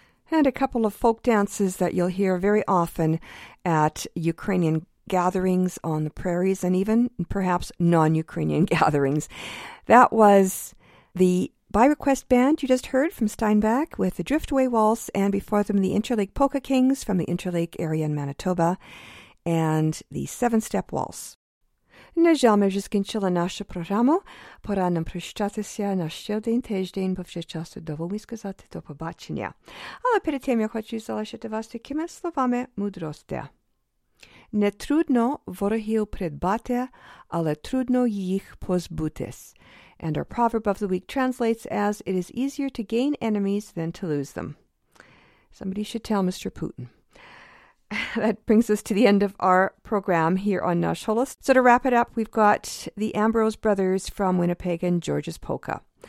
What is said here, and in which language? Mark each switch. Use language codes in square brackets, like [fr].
[en] and a couple of folk dances that you'll hear very often at Ukrainian gatherings on the prairies and even perhaps non-Ukrainian gatherings. That was the By Request Band you just heard from Steinbeck with the Driftway Waltz, and before them the Interlake Polka Kings from the Interlake area in Manitoba, and the Seven Step Waltz. [uk] Нажами вже скінчила наша програма. Пора нам прощатися на ще один тиждень, бо вже часу доволі сказати до побачення. Але перед тим я хочу залишити вас такими словами мудрості. Не трудно ворогів придбати, але трудно їх позбутись. [en] And our proverb of the week translates as, it is easier to gain enemies than to lose them. Somebody should tell Mr. Putin. That brings us to the end of our program here on Nash Holos. So to wrap it up, we've got the Ambrose Brothers from Winnipeg and George's Polka.